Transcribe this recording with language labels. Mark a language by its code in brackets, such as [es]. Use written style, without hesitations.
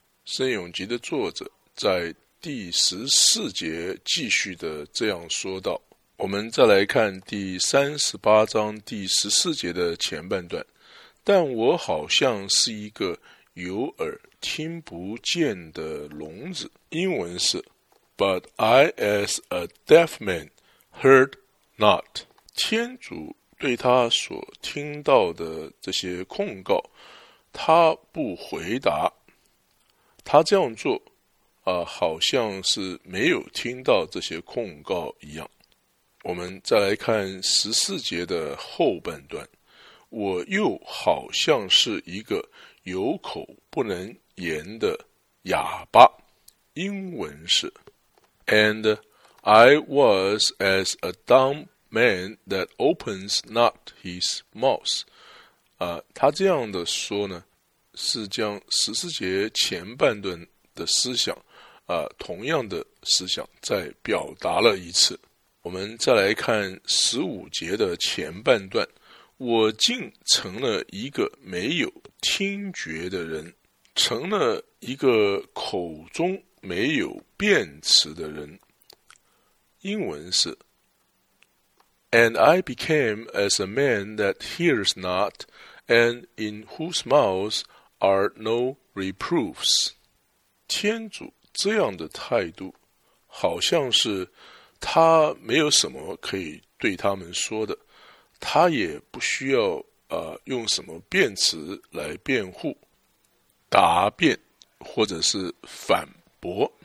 [zh] 圣咏集的作者在第14节继续的这样说道。我们再来看第38章第14节的前半段，但我好像是一个有耳听不见的聋子。英文是 [en] But I as a deaf man heard not。 [zh] 天主对他所听到的这些控告，他不回答，他这样做好像是没有听到这些控告一样。我们再来看14节的后半段，我又好像是一个有口不能言的哑巴。英文是 [en] And I was as a dumb man that opens not his mouth。 [zh] 他这样的说呢，是将14节前半段的思想同样的思想再表达了一次。我们再来看15节的前半段，我竟成了一个没有听觉的人，成了一个口中没有辩词的人。英文是 [en] And I became as a man that hears not, and in whose mouth are no reproofs。 [zh] 天主这样的态度好像是他没有什么可以对他们说的，他也不需要用什么辩词来辩护、答辩或者是反驳。